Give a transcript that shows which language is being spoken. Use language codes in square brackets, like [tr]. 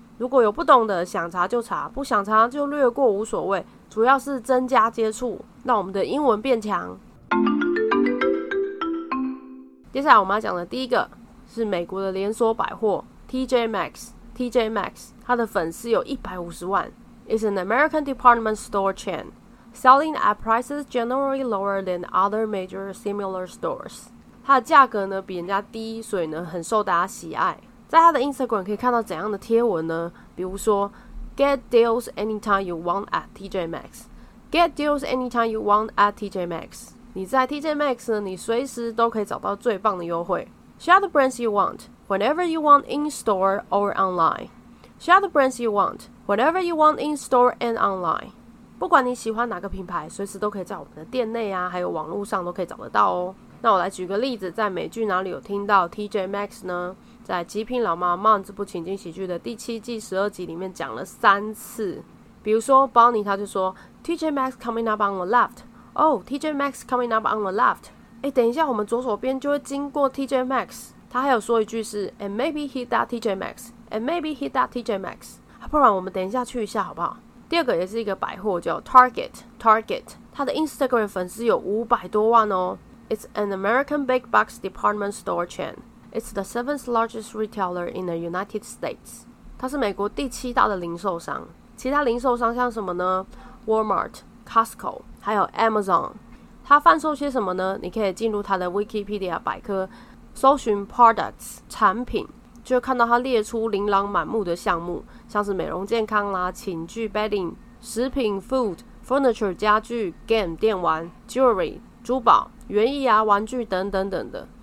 [zh] 如果有不懂的，想查就查，不想查就略过无所谓，主要是增加接触，让我们的英文变强。接下来我们要讲的第一个是美国的连锁百货 TJ Maxx， 它的粉丝有150万。 [en] It's an American department store chain selling at prices generally lower than other major similar stores。 [zh] 它的价格呢比人家低，所以呢很受大家喜爱。在它的 Instagram 可以看到怎样的贴文呢？比如说 [en] Get deals anytime you want at TJ Maxx， Get deals anytime you want at TJ Maxx。 [zh] 你在 TJ Maxx 呢，你随时都可以找到最棒的优惠。 [en] Shop the brands you want, whenever you want in store or online. Shop the brands you want, whenever you want in store and online. [zh] 不管你喜欢哪个品牌，随时都可以在我们的店内啊，还有网络上都可以找得到哦。那我来举个例子，在美剧哪里有听到 TJ Maxx 呢？在《极品老妈妈》这部情景喜剧的第七季12集里面讲了3次。比如说 [en] ，Bonnie [zh] 他就说 [en] ，TJ Maxx coming up on the left。 Oh, TJ Maxx coming up on the left. [zh] 欸，等一下，我们左手边就会经过 TJ Maxx。他还有说一句是 ， [en] And maybe hit that TJ Maxx. And maybe hit that TJ Maxx.、 [zh] 啊、不然我们等一下去一下好不好？第二个也是一个百货，叫 Target。Target， 他的 Instagram 粉丝有500多万哦。 [en] It's an American big box department store chain. It's the 7th largest retailer in the United States. [zh] 他是美国第七大的零售商。其他零售商像什么呢 ？Walmart、Costco。还有 Amazon， 它贩售些什么呢？你可以进入它的 Wikipedia 百科，搜寻 products 产品，就看到它列出琳琅满目的项目，像是美容健康啦、寝具 bedding、食品 food、furniture 家具、game 电玩、jewelry 珠宝、园艺啊、玩具等等等的。